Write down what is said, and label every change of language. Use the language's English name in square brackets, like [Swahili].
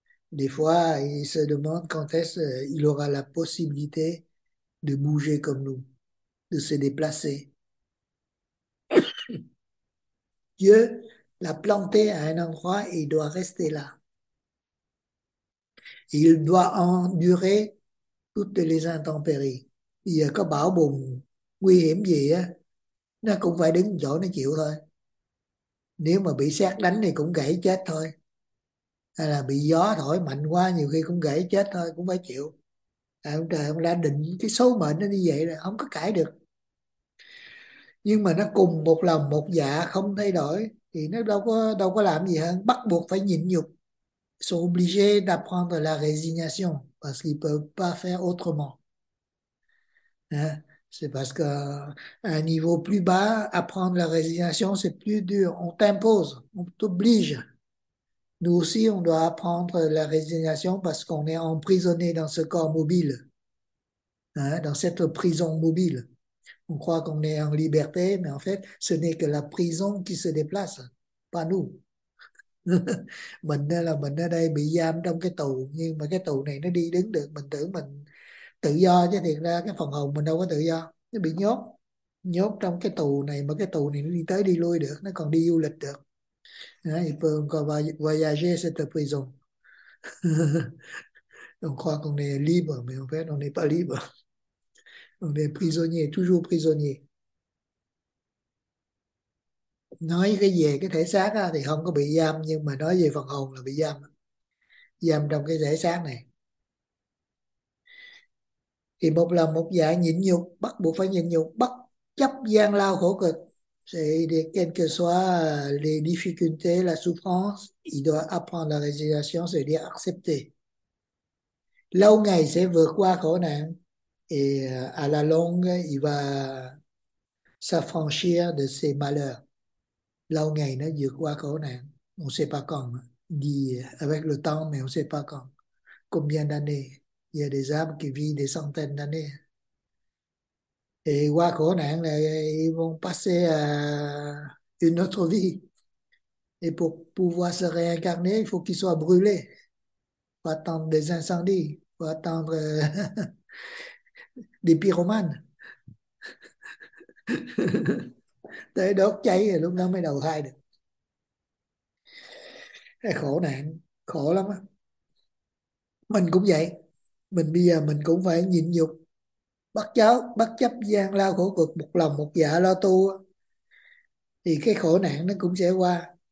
[French] Des fois, il se demande quand est-ce qu'il aura la possibilité de bouger comme nous, de se déplacer. Dieu l'a planté à un endroit et il doit rester là. Il doit endurer toutes les intempéries. Il y a quoi [Vietnamese] bão bùng, nguy hiểm gì á, nó cũng phải đứng chỗ nó chịu thôi. Nếu mà bị sét đánh thì cũng gãy chết thôi, hay là bị gió thổi mạnh quá nhiều khi cũng gãy chết thôi, cũng phải chịu. Tại ông trời ông đã định cái số mệnh nó như vậy rồi, không có cãi được. Nhưng mà nó cùng một lòng một dạ không thay đổi thì nó đâu có làm gì hơn bắt buộc phải nhịn nhục. [French] Sont obligés d'apprendre la résignation parce qu'ils peuvent pas faire autrement. C'est parce qu'à un niveau plus bas, apprendre la résignation, c'est plus dur. On t'impose, on t'oblige. Nous aussi, on doit apprendre la résignation parce qu'on est emprisonné dans ce corps mobile, hein, dans cette prison mobile. On croit qu'on est en liberté, mais en fait, ce n'est que la prison qui se déplace, pas nous. [Vietnamese] Mình là mình ở đây bị giam trong cái tù, nhưng mà cái tù này nó đi đứng được, mình tưởng mình tự do chứ thiệt ra cái phần hồn mình đâu có tự do, nó bị nhốt nhốt trong cái tù này, mà cái tù này nó đi tới đi lui được, nó còn đi du lịch được. Đấy, vừa còn [French] voyager cette prison. Donc quoi qu'on est libre, mais en fait on n'est pas libre, on est prisonnier, toujours prisonnier. [Vietnamese] Nói cái về cái thể xác á, thì không có bị giam, nhưng mà nói về phần hồn là bị giam, giam trong cái thể xác này. Thì một lòng một dạ nhịn nhục, bắt buộc phải nhịn nhục, bất chấp gian lao khổ cực. [French] C'est quelles que soient les difficultés, la souffrance, il doit apprendre la résignation, c'est-à-dire accepter. [Vietnamese] Lâu ngày sẽ vượt qua khổ nạn, [French] et à la longue, il va s'affranchir de ses malheurs. [Vietnamese] Lâu ngày nó vượt qua khổ nạn, [French] on ne sait pas quand, dit avec le temps, mais on ne sait pas quand, combien d'années. Il y a des âmes qui vivent des centaines d'années. Et [Vietnamese] qua khổ nạn [French] là ils vont passer à une autre vie. Et pour pouvoir se réincarner, il faut qu'ils soient brûlés. Il faut attendre des incendies. Il faut attendre des pyromanes. [Vietnamese] Đốt cháy rồi lúc đó mới đầu thai được. Cái khổ nạn, khổ lắm á. Mình cũng vậy. Mình bây giờ mình cũng phải nhịn nhục, bất chấp gian lao khổ cực, một lòng một dạ lo tu, thì cái khổ nạn nó cũng sẽ qua.